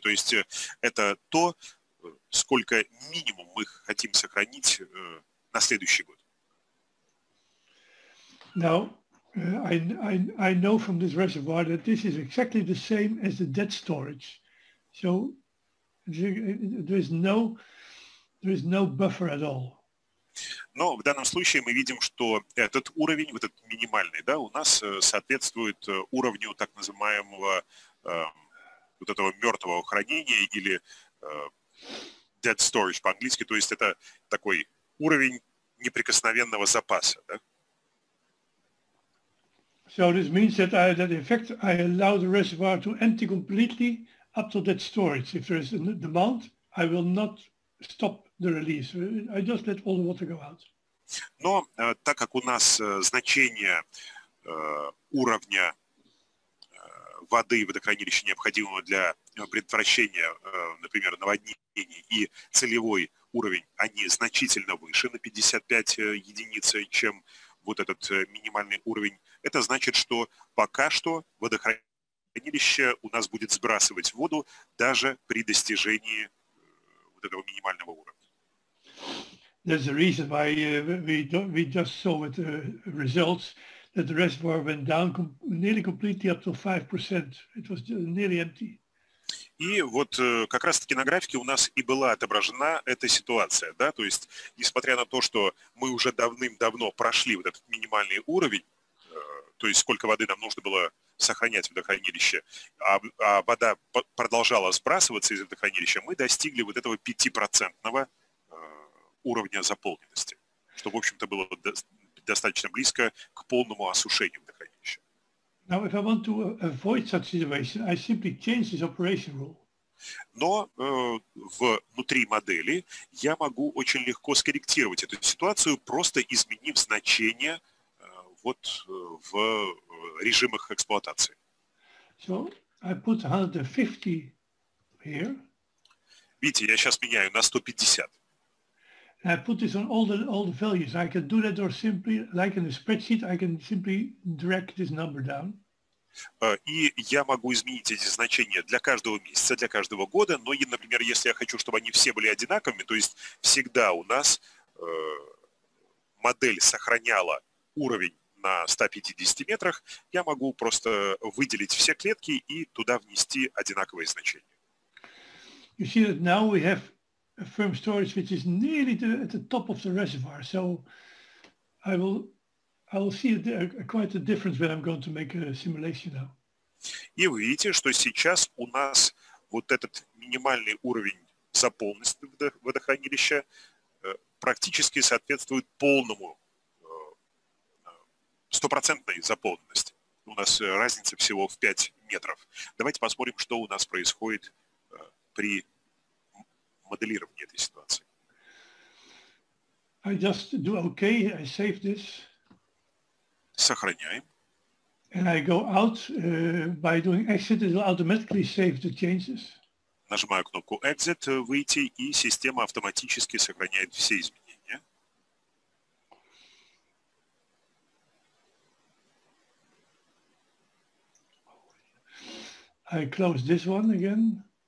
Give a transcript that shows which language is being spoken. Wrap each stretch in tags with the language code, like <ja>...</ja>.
<ru>То есть это то, сколько минимум мы хотим сохранить на следующий год.</ru> <en>Now, I know from this reservoir that this is exactly the same as the dead storage. So there is no buffer at all.</en> <ru>Но в данном случае мы видим, что этот уровень, вот этот минимальный, да, у нас соответствует уровню так называемого вот этого мертвого хранения или dead storage по-английски, то есть это такой уровень неприкосновенного запаса, да?</ru> <en>So this means that in fact I allow the reservoir to empty completely up to that storage. If there is a demand, I will not stop the release. I just let all the water go out.</en> <ru>Но так как у нас значение уровня воды и водохранилища, необходимого для предотвращения, например, наводнений, и целевой уровень, они значительно выше на 55 единиц, чем вот этот минимальный уровень. Это значит, что пока что водохранилище у нас будет сбрасывать воду даже при достижении вот этого минимального уровня.</ru> <en>There's a reason why we just saw the results, that the reservoir went down nearly completely up to 5%. It was nearly empty.</en> <ru>И вот как раз-таки на графике у нас и была отображена эта ситуация, да, то есть, несмотря на то, что мы уже давным-давно прошли вот этот минимальный уровень, то есть сколько воды нам нужно было сохранять в водохранилище, а вода продолжала сбрасываться из водохранилища, мы достигли вот этого 5% уровня заполненности, что, в общем-то, было достаточно близко к полному осушению водохранилища.</ru> <en>Now, if I want to avoid such situation, I simply change this operation rule.</en> <ru>Но внутри модели я могу очень легко скорректировать эту ситуацию, просто изменив значение в режимах эксплуатации.</ru> <en>So I put 150 here.</en> <ru>Витя, я сейчас меняю на 150.</ru> <en>And I put this on all the values. I can do that or simply, like in a spreadsheet, I can simply drag this number down.</en> <ru>И я могу изменить эти значения для каждого месяца, для каждого года, но, например, если я хочу, чтобы они все были одинаковыми, то есть всегда у нас модель сохраняла уровень на 150 метрах, я могу просто выделить все клетки и туда внести одинаковые значения.</ru> <en>You see that now we have a firm storage which is nearly at the top of the reservoir, so I will see quite a difference when I'm going to make a simulation now.</en> <ru>И вы видите, что сейчас у нас вот этот минимальный уровень заполненности водохранилища практически соответствует полному, стопроцентной заполненности. У нас разница всего в 5 метров. Давайте посмотрим, что у нас происходит при моделировании этой ситуации.</ru> <en>I just do okay, I save this.</en> <ru>Сохраняем.</ru> <en>And I go out by doing exit, it will automatically save the changes.</en> <ru>Нажимаю кнопку exit, выйти, и система автоматически сохраняет все изменения.</ru> <en>I close this one again.</en>